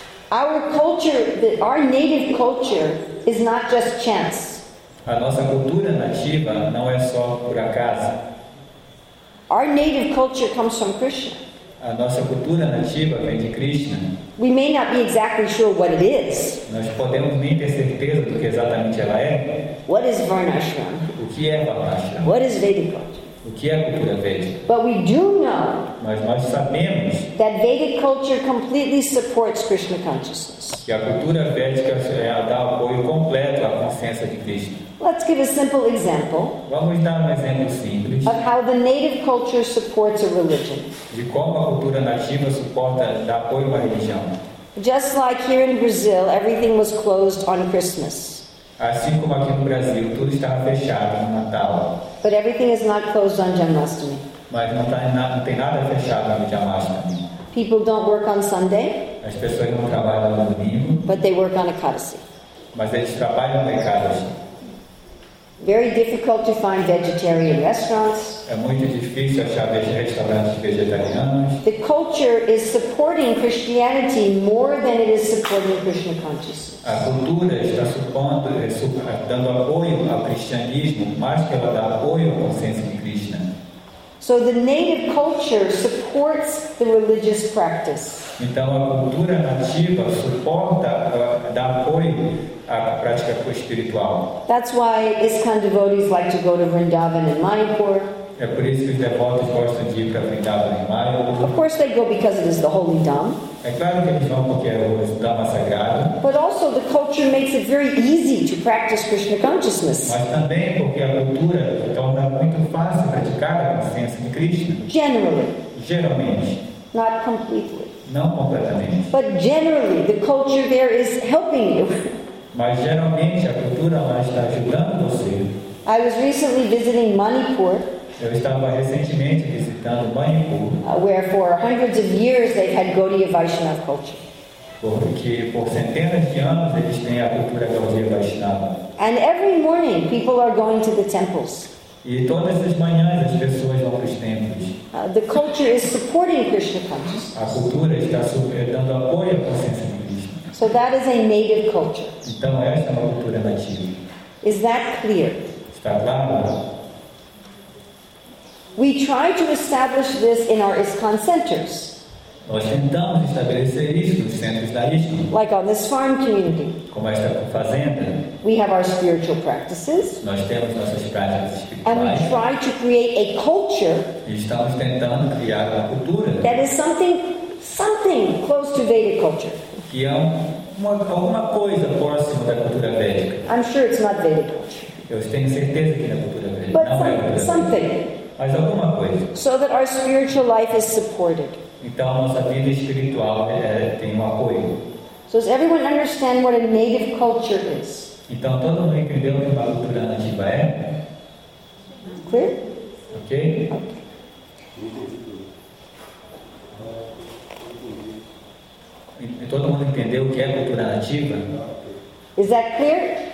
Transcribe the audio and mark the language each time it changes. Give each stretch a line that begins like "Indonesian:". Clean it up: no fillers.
English: Our culture, our native culture, is not just chance.
Portuguese: A nossa cultura nativa não é só por acaso.
English: Our native culture comes from Krishna.
Portuguese: A nossa cultura nativa vem de Krishna.
English: We may not be exactly sure what it is.
Portuguese: Nós podemos nem ter certeza do que exatamente ela é.
English: What is Varnashram?
Portuguese: O que é Varnashram?
English: What is Vedic culture?
Portuguese: O que é cultura védica?
English: But we do know.
Portuguese: Mas nós sabemos.
English: That Vedic culture completely supports Krishna consciousness.
Portuguese: Que a cultura védica dá apoio completo à consciência de Krishna.
English: Let's give a simple example.
Portuguese: Vamos dar um exemplo simples.
English: Of how the native culture supports a religion.
Portuguese: De como a cultura nativa suporta dar apoio à religião.
English: Just like here in Brazil, everything was closed on Christmas.
Portuguese: Assim como aqui no Brasil, tudo estava fechado no Natal.
English: But everything is not closed on Janmashtami.
Portuguese: Mas não tem nada fechado no Janmashtami.
English: People don't work on Sunday.
Portuguese: As pessoas não trabalham no domingo.
English: But they work on Ekadasi.
Portuguese: Mas eles trabalham no Ekadasi.
English: Very difficult to find vegetarian restaurants.
Portuguese: É muito difícil achar restaurantes vegetarianos.
English: The culture is supporting Christianity more than it is supporting Krishna consciousness.
Portuguese: A cultura está dando apoio ao cristianismo mais que ela dá apoio à consciência de Krishna.
English: So the native culture supports the religious practice.
Portuguese: Então a cultura nativa suporta, dá apoio à prática espiritual.
English: That's why ISKCON devotees like to go to Vrindavan and Mayapur.
Portuguese: É por isso que os devotos gostam de ir para Vrindavan e Mayapur.
English: Of course they go because it is the holy dham.
Portuguese: É claro que eles vão porque é o dhamma sagrado.
English: But also the culture makes it very easy to practice Krishna consciousness.
Portuguese: Mas também porque a cultura torna muito fácil praticar a consciência de Krishna.
English: Generally.
Portuguese: Geralmente.
English: Not completely.
Portuguese: Não completamente.
English: But generally, the culture there is helping you.
Portuguese: Mas geralmente a cultura lá está ajudando você.
English: I was recently visiting Manipur.
Portuguese: Eu estava recentemente visitando Manipur.
English: Where for hundreds of years they've had Gaudiya Vaishnava culture.
Portuguese: Porque por centenas de anos eles têm a cultura Gaudiya Vaishnava.
English: And every morning people are going to the temples.
Portuguese: E todas as manhãs as pessoas vão para os templos.
English: The culture is supporting Krishna consciousness.
Portuguese: A cultura está dando apoio à consciência de Krishna.
English: So that is a native culture.
Portuguese: Então essa é uma cultura nativa.
English: Is that clear?
Portuguese: Está claro?
English: We try to establish this in our ISKCON centers.
Portuguese: Nós tentamos estabelecer isso nos centros da ISKCON.
English: Like on this farm community.
Portuguese: Como esta fazenda.
English: We have our spiritual practices.
Portuguese: Nós temos nossas práticas espirituais.
English: And we try to create a culture.
Portuguese: E estamos tentando criar uma cultura.
English: That is something close to Vedic culture.
Portuguese: Que é alguma coisa próxima da cultura védica.
English: I'm sure it's not Vedic culture.
Portuguese: Eu tenho certeza que não é cultura védica.
English: But
Portuguese: não
English: some,
Portuguese: é cultura védica.
English: Something.
Portuguese: Mas alguma coisa.
English: So that our spiritual life is supported.
Portuguese: Então nossa vida espiritual tem um apoio.
English: So does everyone understand what a native culture is?
Portuguese: Então todo mundo entendeu o que uma cultura nativa é?
English: Clear? Okay.
Portuguese: Todo mundo entendeu o que é cultura nativa?
English: Is that clear?